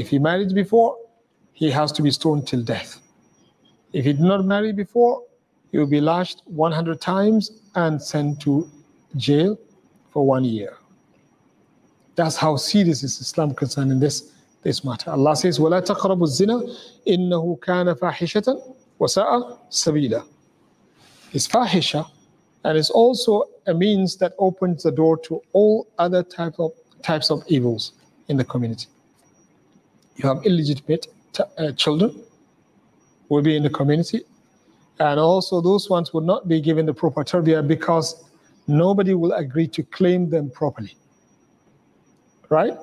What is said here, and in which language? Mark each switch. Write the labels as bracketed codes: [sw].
[en] If he married before, he has to be stoned till death. If he did not marry before, he will be lashed 100 times and sent to jail for 1 year. That's how serious is Islam concerning this matter. Allah says, [ar] وَلَا تَقْرَبُوا الزِّنَا إِنَّهُ كَانَ فَاحِشَةً وَسَأَ سَبِيلًا. [en] It's fahisha, and it's also a means that opens the door to all other types of evils in the community. You have illegitimate children will be in the community, and also those ones would not be given the proper tarbiyah because nobody will agree to claim them properly. Right?